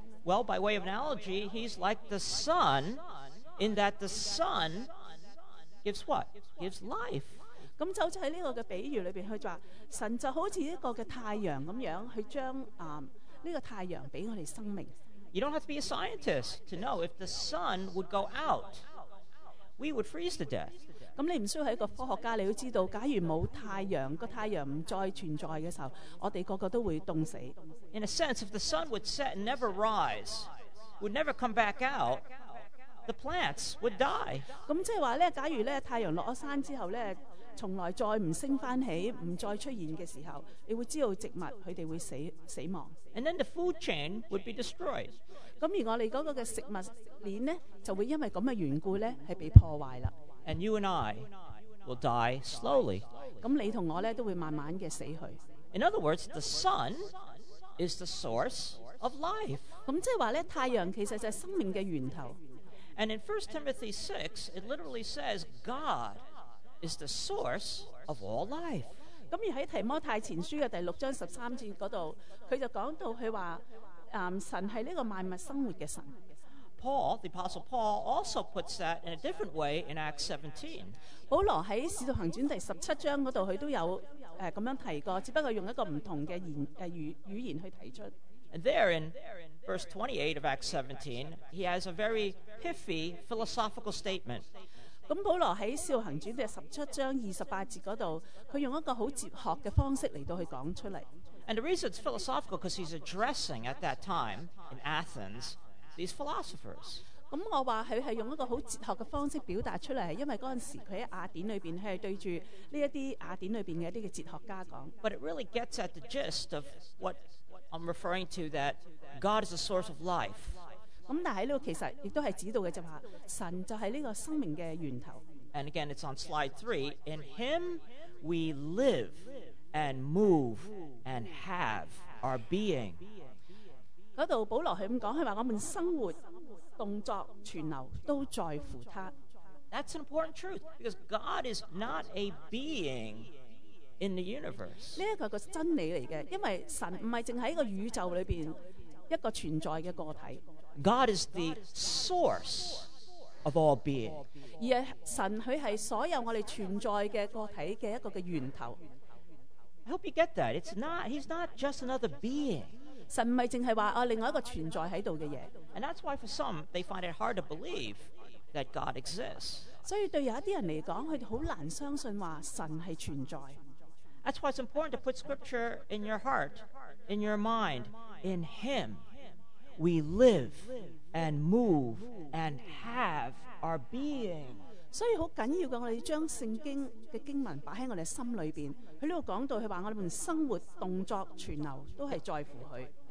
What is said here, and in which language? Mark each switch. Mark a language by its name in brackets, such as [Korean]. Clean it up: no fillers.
[English] Well, by way of analogy, he's like the sun, in that the sun gives what? Gives life. [Cantonese] 咁就好似喺呢個嘅比喻裏邊，佢就話神就好似一個嘅太陽咁樣，去將 [English] You don't have to be a scientist to know if the sun would go out, we would freeze to death. [Cantonese] 咁你唔需要係一個科學家，你都知道，假如冇太陽，個太陽唔再存在嘅時候，我哋個個都會凍死。 [English] In a sense, if the sun would set and never rise, would never come back out, the plants would die. [Cantonese] 咁即係話咧，假如咧太陽落咗山之後咧，從來再唔升翻起，唔再出現嘅時候，你會知道植物佢哋會死亡。 [English] And then the food chain would be destroyed. [Cantonese] 咁而我哋嗰個嘅食物鏈咧，就會因為咁嘅緣故咧，係被破壞啦。 [English] And you and I will die slowly. [Cantonese] 咁你同我咧都会慢慢嘅死去。 [English] In other words, the sun is the source of life. [Cantonese] 咁即系话咧，太阳其实就系生命嘅源头。 [English] And in 1 Timothy 6, it literally says God is the source of all life. [Cantonese] 咁而喺提摩太前书嘅第六章十三节嗰度，佢就讲到佢话，神系呢个万物生活嘅神。 [English] Paul, the Apostle Paul, also puts that in a different way in Acts 17. [Cantonese] 保罗喺《使徒行传》第十七章嗰度，佢都有咁样提过，只不过用一个唔同嘅语言去提出。 [English] And there in verse 28 of Acts 17, he has a very pithy philosophical statement. [Cantonese] 咁保罗喺《使徒行传》第十七章二十八节嗰度，佢用一个好哲学嘅方式嚟到去讲出嚟。 [English] And the reason it's philosophical because he's addressing at that time in Athens. These philosophers. [Cantonese] 咁我話佢係用一個好哲學嘅方式表達出嚟，因為嗰陣時佢喺雅典裏邊，佢係對住呢一啲雅典裏邊嘅一啲嘅哲學家講。 [English] But it really gets at the gist of what I'm referring to, that God is the source of life. [Cantonese] 咁但係呢個其實亦都係指導嘅，就話神就係呢個生命嘅源頭。 [English] And again, it's on slide 3. In Him we live and move and have our being. [Cantonese] 嗰度保罗系咁讲，佢话我们生活、动作、存留都在乎他。 [English] That's an important truth because God is not a being in the universe. [Cantonese] 呢一个个真理嚟嘅，因为神唔系净系一个宇宙里边一个存在嘅个体。 [English] God is the source of all being. [Cantonese] 而系神，佢系所有我哋存在嘅个体嘅一个嘅源头。 [English] I hope you get that. It's not. He's not just another being. [Cantonese] 神唔系净系话另外一个存在喺度嘅嘢。 [English] And that's why for some they find it hard to believe that God exists. [Cantonese] 所以对有一啲人嚟讲，佢哋好难相信话神系存在。 [English] That's why it's important to put scripture in your heart, in your mind, in Him we live and move and have our being. [Cantonese] 所以好紧要嘅，我哋将圣经嘅经文摆喺我哋心里边。佢呢度讲到，佢话我哋生活、动作、存留都系在乎佢。